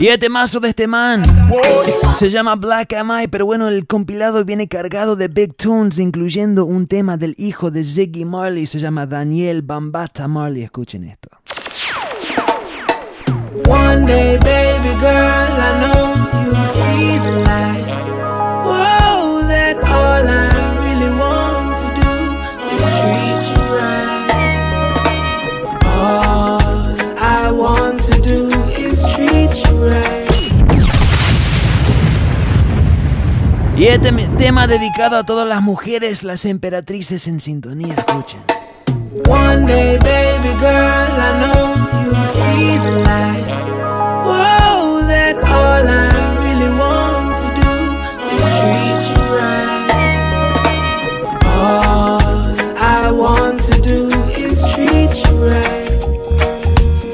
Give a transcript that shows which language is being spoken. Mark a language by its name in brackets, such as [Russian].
[Spanish] Y el temazo de este man se llama Black Am I, pero bueno, el compilado viene cargado de big tunes, incluyendo un tema del hijo de Ziggy Marley, se llama Daniel Bambata Marley. Escuchen esto. [English] One day, baby girl, I know you'll see the light. Whoa, that all I really want to do is treat you right. All I want to do is treat you right. [Spanish] Y este tema dedicado a todas las mujeres, las emperatrices en sintonía, escuchen. [English] One day, baby girl, I know you'll see the light. Whoa, that all I really want to do is treat you right. All I want to do is treat you right.